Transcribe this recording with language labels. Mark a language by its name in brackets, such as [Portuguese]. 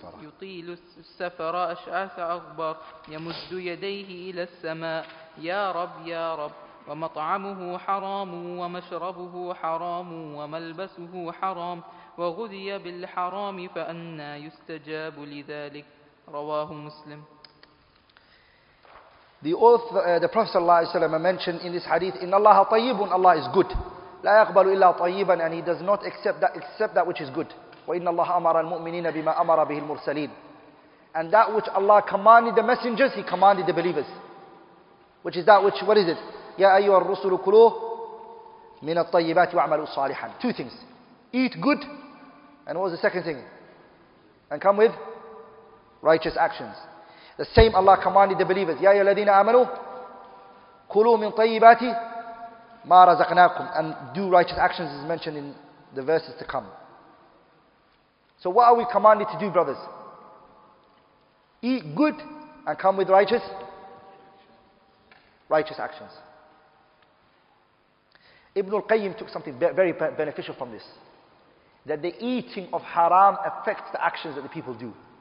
[Arabic] يطيل السفر أشعث أغبر يمد يديه إلى السماء يا رب يا رب ومطعمه حرام ومشربه حرام وملبسه حرام وغذي بالحرام فأنى يستجاب لذلك رواه مسلم. [English] The author, the Prophet sallallahu alaihi wasallam mentioned in this hadith, [Arabic] "Inna Allah tayyibun, [English] Allah is good. [Arabic] La yaqbalu illa tayyiban, [English] and He does not accept that which is good. [Arabic] Wa inna Allah amara al-mu'minina bima amara bihi al-mursalin. [English] And that which Allah commanded the messengers, He commanded the believers. Which is that which, what is it? [Arabic] Ya ayyuhar rusul kulu min at-tayyibati wa'malu salihan. [English] Two things. Eat good, and what was the second thing? And come with righteous actions. The same Allah commanded the believers, [Arabic] يَا الَّذِينَ آمَنُوا كُلُوا مِنْ طَيِّبَاتِ مَا رَزَقْنَاكُمْ. [English] And do righteous actions is mentioned in the verses to come. So what are we commanded to do, brothers? Eat good and come with righteous actions. Ibn al-Qayyim took something very beneficial from this. That the eating of haram affects the actions that the people do.